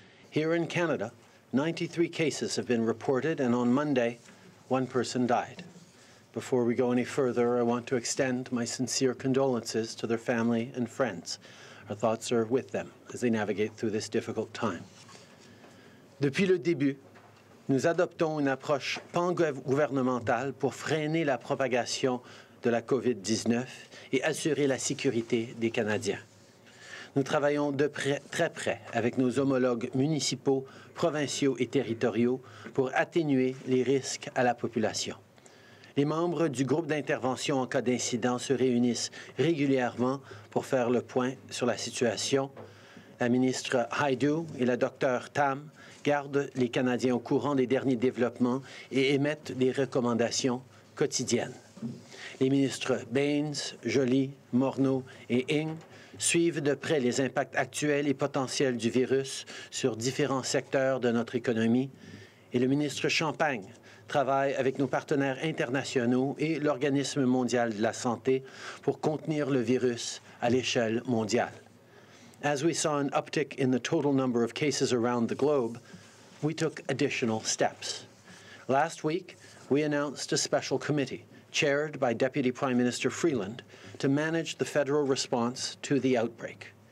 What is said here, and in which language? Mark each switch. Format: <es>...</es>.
<en>Here in Canada, 93 cases have been reported, and on Monday, one person died. Before we go any further, I want to extend my sincere condolences to their family and friends. Our thoughts are with them as they navigate through this difficult time.</en> <fr>Depuis le début, nous adoptons une approche pan-gouvernementale pour freiner la propagation de la COVID-19 et assurer la sécurité des Canadiens. Nous travaillons de près, très près avec nos homologues municipaux, provinciaux et territoriaux pour atténuer les risques à la population. Les membres du groupe d'intervention en cas d'incident se réunissent régulièrement pour faire le point sur la situation. La ministre Haidu et la docteure Tam gardent les Canadiens au courant des derniers développements et émettent des recommandations quotidiennes. Les ministres Baines, Joly, Morneau et Ng suivent de près les impacts actuels et potentiels du virus sur différents secteurs de notre économie. Et le ministre Champagne travaille avec nos partenaires internationaux et l'Organisme mondial de la santé pour contenir le virus à l'échelle mondiale.</fr> <en>As we saw an uptick in the total number of cases around the globe, we took additional steps. Last week, we announced a special committee, chaired by Deputy Prime Minister Freeland, to manage the federal response to the outbreak.</en>